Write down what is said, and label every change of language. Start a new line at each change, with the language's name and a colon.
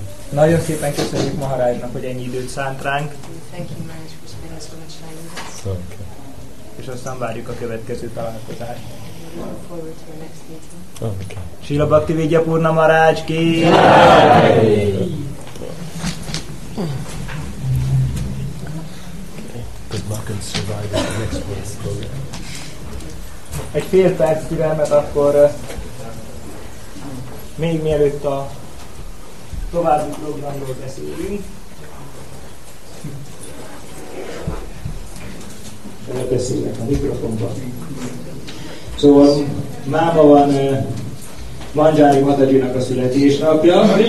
Hungarian: Nagyon szépen köszönjük Maharajnak, hogy ennyi időt szánt ránk.
English: Thank you, Maharaj, for spending so much time with us.
Hungarian: Okay. És aztán várjuk a következő találkozást.
English: Look forward to our next meeting. Okay. Srila Bhakti Vidya Purna Maharaj ki. Good luck and survive the next week's program.
Hungarian: Egy fél perc türelmet akkor még mielőtt a további programról beszélünk. Elbeszélek a mikrofonba. Szóval máma van Manjari Matagyinak a születésnapja.